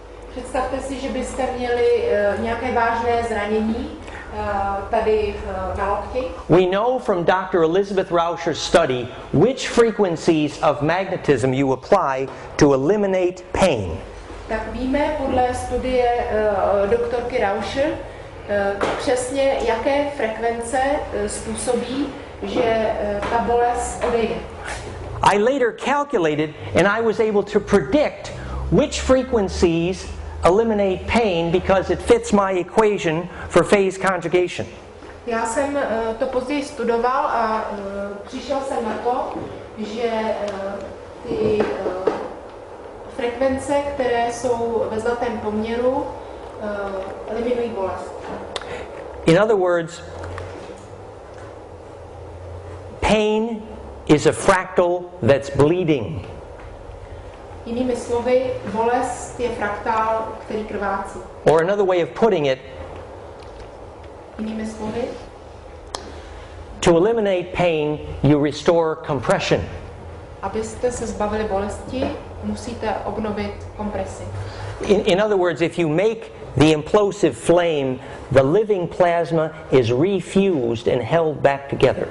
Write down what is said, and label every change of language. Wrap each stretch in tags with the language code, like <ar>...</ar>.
<cs>Představte si, že byste měli nějaké vážné zranění tady na lokti.</cs> <en>We know from Dr. Elizabeth Rauscher's study which frequencies of magnetism you apply to eliminate pain.</en> <cs>Tak víme podle studie doktorky Rauscher. Přesně jaké frekvence způsobí, že ta bolest odejde.</cs> <en>I later calculated and I was able to predict which frequencies eliminate pain because it fits my equation for phase conjugation.</en> <cs>Já jsem to později studoval a přišel jsem na to, že ty frekvence, které jsou ve zlatém poměru, eliminují bolest.</cs> <en>In other words, pain is a fractal that's bleeding.</en> <cs>Jinými slovy, bolest je fraktál, který krvácí.</cs> <en>Or another way of putting it,</en> <cs>jinými slovy,</cs> <en>to eliminate pain, you restore compression.</en> <cs>Abyste se zbavili bolesti, musíte obnovit kompresi.</cs> <en>In other words, if you make the implosive flame, the living plasma is refused and held back together.</en>